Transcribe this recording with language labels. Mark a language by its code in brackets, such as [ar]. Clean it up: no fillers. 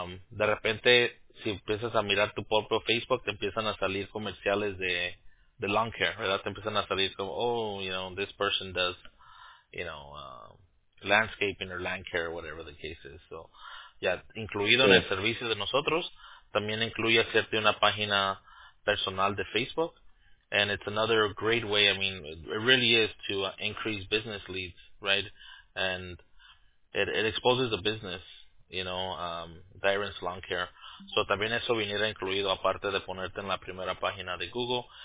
[es] De repente, si empiezas a mirar tu propio Facebook, te empiezan a salir comerciales de lawn care, ¿verdad? Te empiezan a salir como, [en] oh, you know, this person does, you know, landscaping or land care, whatever the case is. [es] So, ya, incluido en el servicio de nosotros, también incluye hacerte una página personal de Facebook. [en] And it's another great way, I mean, it really is to increase business leads, right? And it exposes the business, you know, Diren's Lawn Care. [es] So, también eso viniera incluido, aparte de ponerte en la primera página de Google.